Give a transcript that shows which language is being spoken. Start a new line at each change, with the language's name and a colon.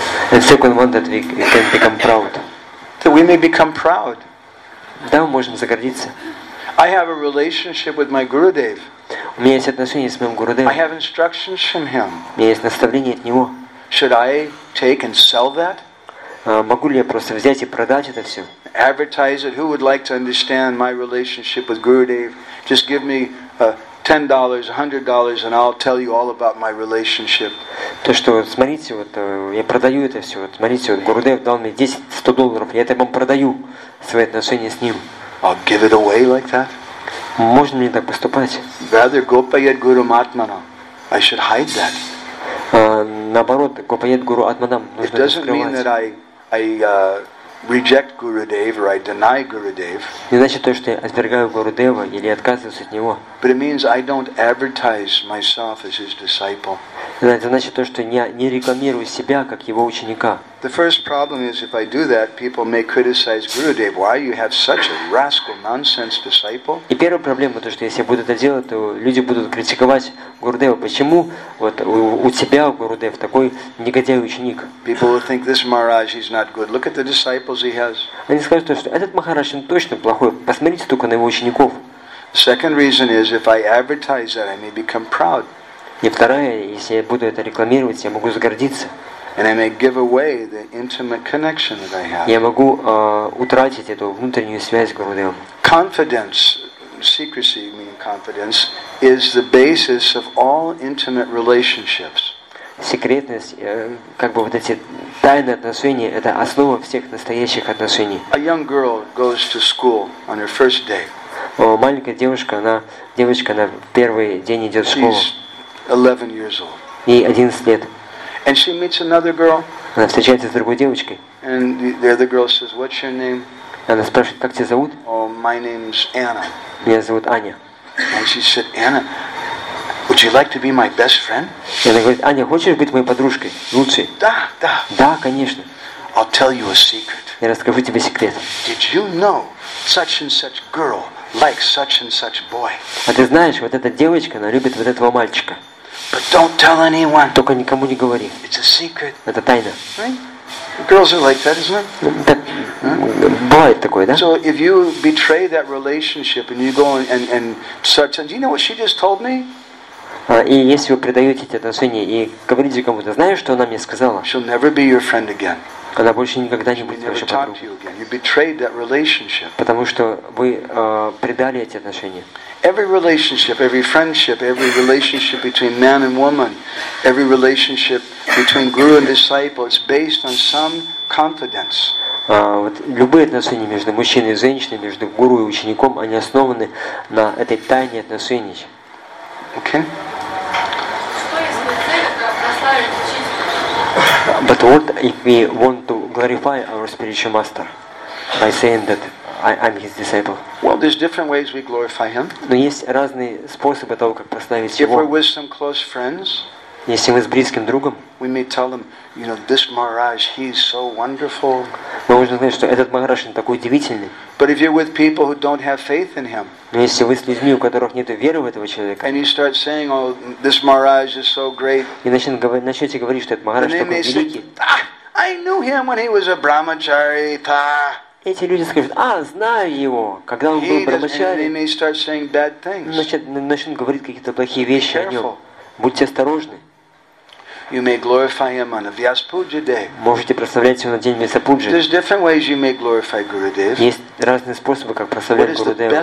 English: And second one, that we can become proud. So we may become proud.
Russian: Да, мы можем загордиться.
English: I have a relationship with my Gurudev.
Russian: У меня есть отношения с моим Гурудевом.
English: I have instructions from him.
Russian: У меня есть наставления от него.
English: Should I take and sell that?
Russian: Могу ли я просто взять и продать это все?
English: Advertise it. Who would like to understand my relationship with Gurudev? Just give me $10, $100, and I'll tell you all about my relationship.
Russian: То, что, смотрите, вот я продаю это все. Вот, смотрите, вот Гурудев дал мне 10-100 долларов, я это вам продаю, свои отношения с ним.
English: I'll give it away like that?
Russian: Можно мне так поступать?
English: Rather, Gopayet Guru Matmana. I should hide that.
Russian: Наоборот, Gopayet Guru Atmanam нужно это скрывать.
English: It doesn't mean that I reject Gurudev or I deny Gurudev.
Russian: Не значит то, что я отвергаю Гурудева или отказываюсь от него.
English: But it means I don't advertise myself as his disciple.
Russian: Это значит то, что я не рекламирую себя как его ученика.
English: The first problem is if I do that, people may criticize Gurudev. Why you have such a rascal, nonsense disciple?
Russian: И первая проблема то, что если я буду это делать, то люди будут критиковать Гурудева. Почему вот у тебя Гурудев такой негодяй ученик?
English: People will think this Maharaj is not good. Look at the disciples he has.
Russian: Они скажут, что этот Махарадж точно плохой. Посмотрите только на его учеников.
English: Second reason is if I advertise that, I may become proud.
Russian: И вторая, если я буду это рекламировать, я могу загордиться.
English: And I may give away the intimate connection that I have.
Russian: Я могу утратить эту внутреннюю связь с Гурудевом.
English: Confidence, secrecy, meaning confidence, is the basis of all intimate relationships.
Russian: Секретность, как бы вот эти тайные отношения, это основа всех настоящих отношений.
English: A young girl goes to school on her first day.
Russian: Маленькая девочка, она в первый день идет в школу.
English: She's 11 years old.
Russian: Ей 11 лет.
English: And she meets another girl.
Russian: Она встречается с другой девочкой.
English: And the other girl says, "What's your name?"
Russian: Она спрашивает, как тебя зовут?
English: Oh, my name's Anna.
Russian: Меня зовут Аня.
English: And she said, "Anna, would you like to be my best friend?"
Russian: И она говорит, Аня, хочешь быть моей подружкой, лучшей? Да, да. Да, конечно.
English: I'll tell you a secret.
Russian: Я расскажу тебе секрет.
English: Did you know such and such girl likes such and such boy?
Russian: А ты знаешь, вот эта девочка, она любит вот этого мальчика.
English: But don't tell anyone.
Russian: Только никому не говори.
English: It's a secret.
Russian: Это тайна.
English: Right? Girls are like that, isn't it?
Russian: Бывает такое, да?
English: So if you betray that relationship and you go and such and, do you know what she just told me?
Russian: И если вы предаете эти отношения и говорите кому-то, знаешь, что она мне сказала?
English: She'll never be your friend again.
Russian: Она больше никогда не будет вашей подругой. Потому что вы предали эти отношения.
English: Every relationship, every friendship, every relationship between man and woman, every relationship between guru and disciple is based on some confidence.
Russian: Вот любые отношения между мужчиной и женщиной, между гуру и учеником, они основаны на этой тайне отношений.
English: Okay.
Russian: Что если цель
English: But what if we want to glorify our spiritual master by saying that I'm his disciple? Well, there's different ways we glorify him.
Russian: Но есть разные способы того, как прославить его.
English: If we're with some close friends,
Russian: если мы с близким другом,
English: we may tell them, you know, this Maharaj, he's so wonderful.
Russian: Мы можем сказать, что этот Махарадж такой удивительный.
English: But if you're with people who don't have faith in him,
Russian: но если вы с людьми, у которых нет веры в этого человека,
English: and you start saying, oh, this Maharaj is so great,
Russian: и начнете говорить, что этот Махарадж такой великий,
English: I knew him when he was a brahmachari.
Russian: Эти люди скажут, а, знаю его, когда он был брамачари. Значит, начнут говорить какие-то плохие вещи о нем. Будьте осторожны. Можете прославлять его на день Весапуджи. Есть разные способы, как прославлять Гурудева.